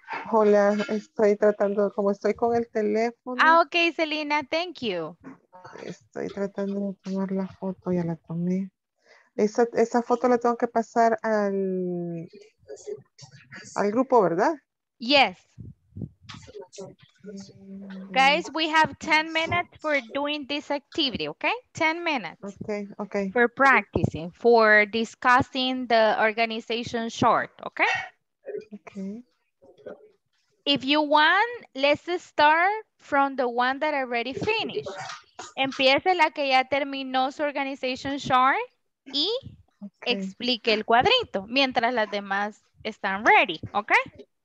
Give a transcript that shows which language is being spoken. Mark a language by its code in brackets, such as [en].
[es] Hola, estoy tratando, como estoy con el teléfono. [en] Ah, ok, Selena, thank you. [es] Estoy tratando de tomar la foto, ya la tomé. Esa foto la tengo que pasar al grupo, ¿verdad? [en] Yes. Guys, we have 10 minutes for doing this activity, okay? 10 minutes. Okay, okay. For practicing, for discussing the organization short, okay? Okay. If you want, let's start from the one that already finished. [es] Empiece la que ya terminó su organization short y okay. Explique el cuadrito mientras las demás están ready, okay?